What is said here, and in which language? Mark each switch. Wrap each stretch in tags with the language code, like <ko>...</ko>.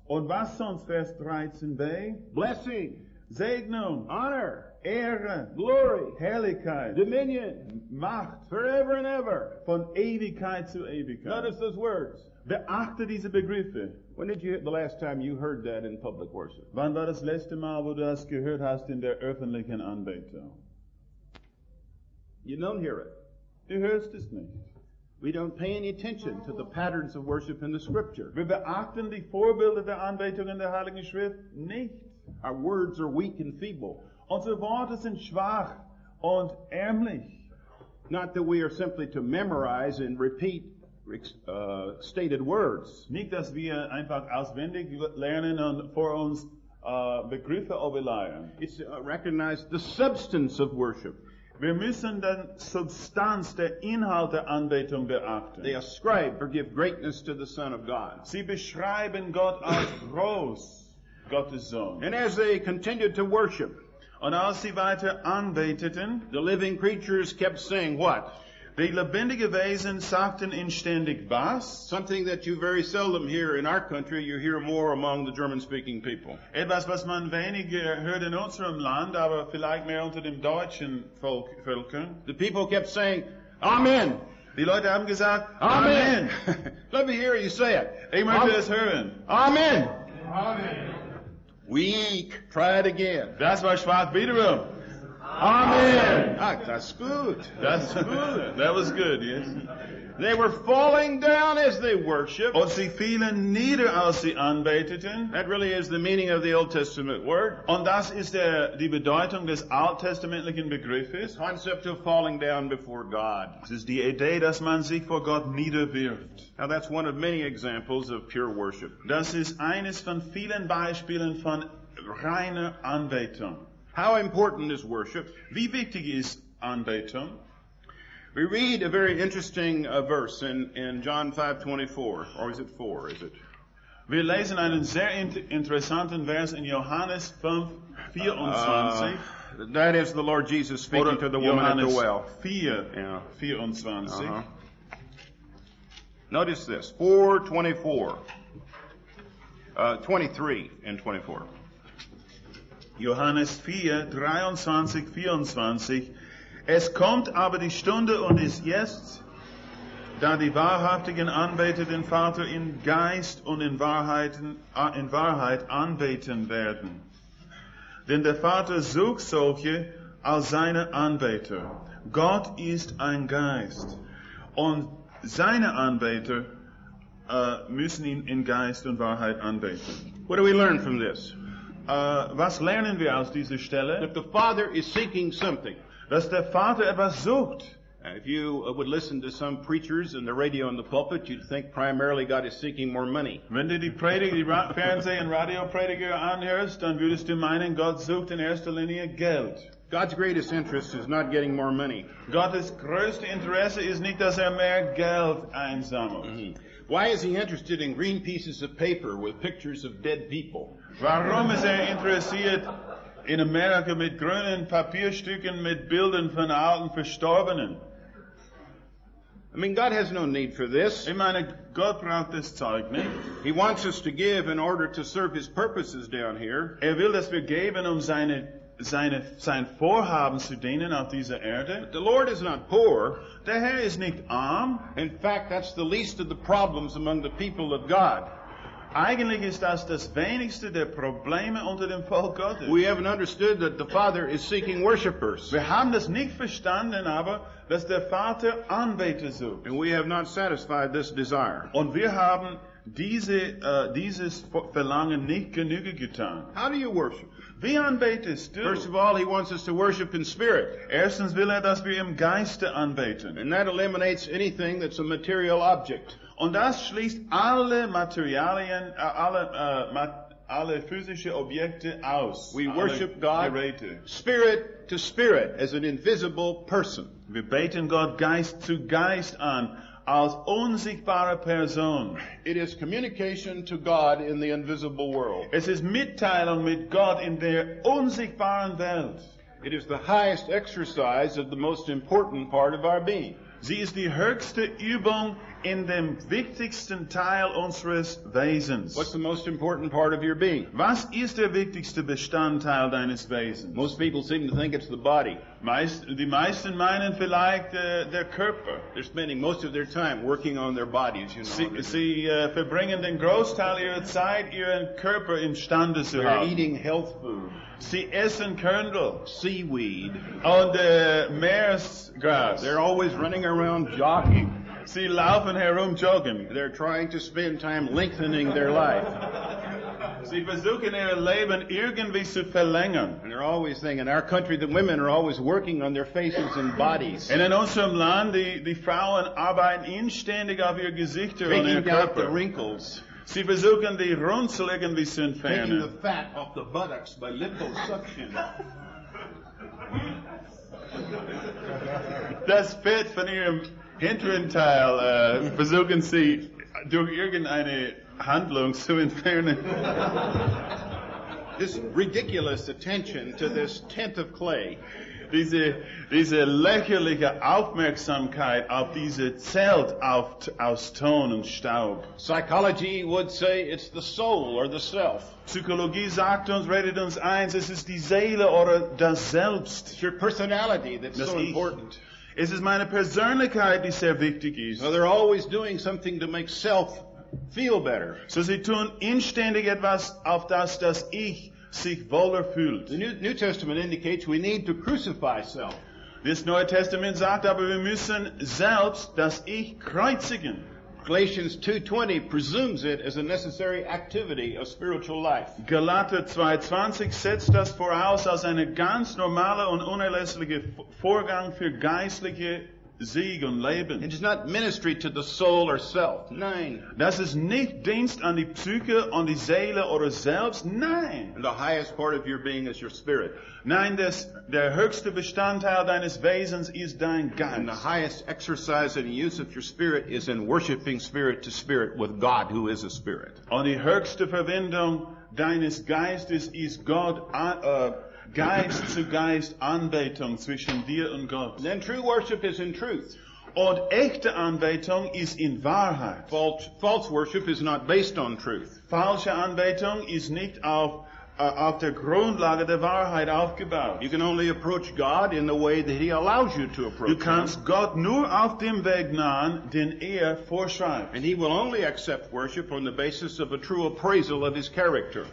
<de>Und was sonst, Vers 13b?</de> <en>Blessing.</en> <de>Segnung.</de> <en>Honor.</en> <de>Ehre,</de> <en>glory,</en> <de>Herrlichkeit,</de> <en>dominion,</en> <de>Macht,</de> <en>forever and ever,</en> <de>von Ewigkeit zu Ewigkeit.</de> <en>Notice those words.</en> <de>Beachte diese Begriffe.</de> <en>When did you hear the last time you heard that in public worship?</en> <de>Wann war das letzte Mal, wo du das gehört hast in der öffentlichen Anbetung?</de> <en>You don't hear it.</en> <de>Du hörst es nicht.</de> <en>We don't pay any attention to the patterns of worship in the Scripture.</en> <de>Wir beachten die Vorbilder der Anbetung in der Heiligen Schrift nicht.</de> <en>Our words are weak and feeble.</en> <de>Unsere Worte sind schwach und ärmlich.</de> <en>Not that we are simply to memorize and repeat stated words.</en> <de>Nicht, dass wir einfach auswendig lernen und vor uns Begriffe überlegen.</de> <en>It's recognize the substance of worship.</en> <de>Wir müssen dann Substanz der Inhalt der Anbetung beachten.</de> <en>They ascribe or give greatness to the Son of God.</en> <de>Sie beschreiben Gott als groß, Gottes Sohn.</de> <en>And as they continued to worship,</en> <de>und als sie weiter anbeteten,</de> <en>the living creatures kept saying what?</en> <de>Die lebendige Wesen sagten inständig was?</de> <en>Something that you very seldom hear in our country, you hear more among the German-speaking people.</en> <de>Etwas, was man weniger hört in unserem Land, aber vielleicht mehr unter dem deutschen Völkern.</de> <en>The people kept saying, Amen!</en> <de>Die Leute haben gesagt,</de> <en>Amen! Amen. Let me hear you say it.</en> <de>Ich möchte es hören. Amen! Amen!</de> <en>Weak. Try it again.</en> <de>Das war schwach. Wiederum. Amen.</de> <en>Ah, that's good. That's good. That was good, yes. They were falling down as they worshiped.</en> <de>Und sie fielen nieder, als sie anbeteten.</de> <en>That really is the meaning of the Old Testament word.</en> <de>Und das ist die Bedeutung des alttestamentlichen Begriffes.</de> <en>The concept of falling down before God.</en> <de>Es ist die Idee, dass man sich vor Gott niederwirft.</de> <en>Now that's one of many examples of pure worship.</en> <de>Das ist eines von vielen Beispielen von reiner Anbetung.</de> <en>How important is worship?</en> <de>Wie wichtig ist Anbetung?</de> <en>We read a very interesting verse in John 5:24, or is it 4, is it?</en> <de>Wir lesen einen sehr interessanten Vers in Johannes 5:24.</de> <en>That is the Lord Jesus speaking to the woman at the well.</en> <de>Johannes 4:24.</de> <en>Notice this, 4, 24, 23 and 24.</en> <de>Johannes 4, 23, 24. Es kommt aber die Stunde und ist jetzt, da die Wahrhaftigen Anbeter den Vater in Geist und in Wahrheit anbeten werden. Denn der Vater sucht solche als seine Anbeter. Gott ist ein Geist. Und seine Anbeter müssen ihn in Geist und Wahrheit anbeten.</de> <en>What do we learn from this?</en> <de>Was lernen wir aus dieser Stelle?</de> <en>That the Father is seeking something.</en> <de>Dass der Vater etwas sucht.</de> <en>If you would listen to some preachers and the radio and the pulpit, you'd think primarily God is seeking more money.</en> <de>Wenn du die Fernseh- und Radioprediger anhörst, dann würdest du meinen, Gott sucht in erster Linie Geld.</de> <en>God's greatest interest is not getting more money.</en> <de>Gottes größtes Interesse ist nicht, dass mehr Geld einsammelt. Mm-hmm.</de> <en>Why is he interested in green pieces of paper with pictures of dead people?</en> <de>Warum ist interessiert in Amerika mit grünen Papierstücken mit Bildern von alten Verstorbenen?</de> <en>I mean, God has no need for this.</en> <de>Ich meine, Gott braucht das Zeug nicht.</de> <en>He wants us to give in order to serve his purposes down here.</en> <de>Er will, dass wir geben, sein Vorhaben zu dienen auf dieser Erde.</de> <en>But the Lord is not poor.</en> <de>Der Herr ist nicht arm.</de> <en>In fact, that's the least of the problems among the people of God.</en> <de>Eigentlich ist das wenigste der Probleme unter dem Volk Gottes.</de> <en>We haven't understood that the Father is seeking worshipers.</en> <de>Wir haben das nicht verstanden, aber dass der Vater Anbeter sucht.</de> <en>And we have not satisfied this desire.</en> <de>Und wir haben dieses Verlangen nicht genüge getan.</de> <en>How do you worship?</en> <de>Wie anbetest du?</de> <en>First of all, he wants us to worship in spirit.</en> <de>Erstens will dass wir im Geiste anbeten.</de> <en>And that eliminates anything that's a material object.</en> <de>Und das schließt alle Materialien, alle physische Objekte aus.</de> <en>We worship God</en> <de>Geräte.</de> <en>Spirit to spirit as an invisible person.</en> <de>Wir beten Gott Geist zu Geist an als unsichtbare Person.</de> <en>It is communication to God in the invisible world.</en> <de>Es ist Mitteilung mit Gott in der unsichtbaren Welt.</de> <en>It is the highest exercise of the most important part of our being.</en> <de>Sie ist die höchste Übung in dem wichtigsten Teil unseres Wesens.</de> <en>What's the most important part of your being?</en> <de>Was ist der wichtigste Bestandteil deines Wesens?</de> <en>Most people seem to think it's the body.</en> <de>Die meisten meinen vielleicht der Körper.</de> <en>They're spending most of their time working on their bodies, you know.</en> <de>Verbringen den Großteil ihrer Zeit ihren Körper imstande zu</de> <en>They're</en> <de>haben.</de> <en>Eating health food.</en> <de>Sie essen Körnel.</de> <en>Seaweed.</en> <de>Und Meeresgras.</de> <en>They're always running around jogging.</en> <de>Sie laufen herum joggen.</de> <en>They're trying to spend time lengthening their life.</en> <de>Sie versuchen ihr Leben irgendwie zu verlängern.</de> <en>And they're always saying, in our country, the women are always working on their faces and bodies.</en> <de>And in unserem Land, die Frauen arbeiten inständig auf ihr Gesicht und ihr Körper.</de> <en>Taking out the wrinkles.</en> <de>Sie versuchen die Runzel irgendwie zu entfernen.</de> <en>Taking the fat off the buttocks by liposuction.</en> <de>Das Fett von ihrem hinteren Teil versuchen sie durch irgendeine Handlung zu entfernen.</de> <en>This ridiculous attention to this tent of clay.</en> <de>Diese lächerliche Aufmerksamkeit auf diese Zelt aus Ton und Staub.</de> <en>Psychology would say it's the soul or the self.</en> <de>Psychologie sagt uns, redet uns eins, es ist die Seele oder das Selbst.</de> <en>It's your personality that's so important.</en> <de>Es ist meine Persönlichkeit, die sehr wichtig ist.</de> <en>So they're always doing something to make self feel better.</en> <de>So sie tun inständig etwas, auf das ich sich wohler fühlt.</de> <en>The New Testament indicates we need to crucify self.</en> <de>Das Neue Testament sagt aber, wir müssen selbst das Ich kreuzigen.</de> <en>Galatians 2:20 presumes it as a necessary activity of spiritual life.</en> <de>Galater 2:20 setzt das voraus als eine ganz normale und unerlässliche Vorgang für geistliche Sieg und Leben.</de> <en>It is not ministry to the soul or self.</en> <de>Nein. Das ist nicht Dienst an die Psyche, an die Seele oder selbst. Nein.</de> <en>And the highest part of your being is your spirit.</en> <de>Nein, der höchste Bestandteil deines Wesens ist dein Geist.</de> <en>And the highest exercise and use of your spirit is in worshiping spirit to spirit with God who is a spirit.</en> <de>Und die höchste Verwendung deines Geistes ist Gott Geist zu Geist Anbetung zwischen dir und Gott.</de> <en>Then true worship is in truth.</en> <de>Und echte Anbetung ist in Wahrheit.</de> <en>False worship is not based on truth.</en> <de>Falsche Anbetung ist nicht auf der Grundlage der Wahrheit aufgebaut.</de> <en>You can only approach God in the way that He allows you to approach</en> <de>Him. Du kannst Gott nur auf dem Weg nahen, den er vorschreibt.</de> <en>And He will only accept worship on the basis of a true appraisal of His character.</en>